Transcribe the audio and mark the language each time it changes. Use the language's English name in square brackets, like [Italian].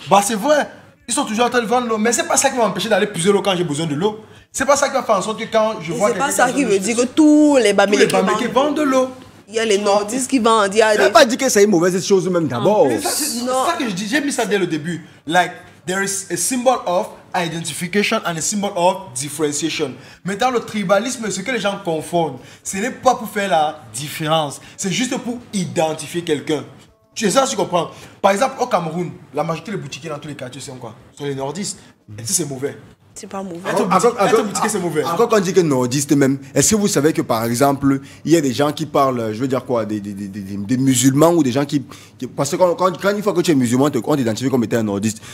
[French] Bah c'est vrai. Ils sont toujours en train de vendre l'eau. Mais c'est pas ça qui va m'empêcher d'aller puiser l'eau quand j'ai besoin de l'eau. C'est pas ça qui va faire en sorte que quand je vois. C'est pas ça qui veut dire que tous les Bamileke vendent de l'eau. Il y a les Nordistes qui vendent. Je n'ai pas dit que c'est une mauvaise chose même d'abord. C'est ça que je dis. J'ai mis ça dès le début. Like, [English] There is a symbol of identification and a symbol of differentiation. [French] Maintenant, le tribalisme, ce que les gens confondent, ce n'est pas pour faire la différence. C'est juste pour identifier quelqu'un. Tu sais ça, tu comprends? Par exemple, au Cameroun, la majorité des boutiquiers dans tous les quartiers, c'est quoi? Ce sont les nordistes. Et c'est mauvais. C'est pas mauvais. Être boutiquier, c'est mauvais. Encore quand on dit que nordiste même, est-ce que vous savez que, par exemple, il y a des gens qui parlent, je veux dire quoi, des musulmans ou des gens qui parce que quand une fois que tu es musulman, on t'identifie comme étant un nordiste.